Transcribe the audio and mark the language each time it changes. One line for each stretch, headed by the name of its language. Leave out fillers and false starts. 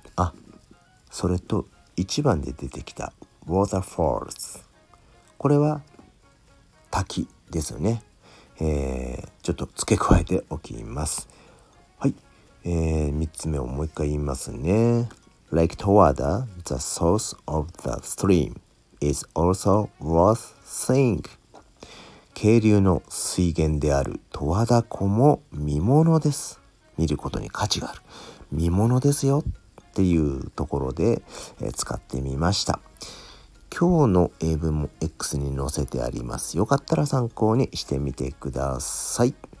Japanese: あ、それと1番で出てきた waterfalls、 これは滝ですよね。ちょっと付け加えておきます。はい、3つ目をもう一回言いますね。
English: Lake Towada, the source of the streamis also worth seeing.
Japanese: 渓流の水源である十和田湖も見ものです。見ることに価値がある、見ものですよっていうところで使ってみました。今日の英文も X に載せてあります。よかったら参考にしてみてください。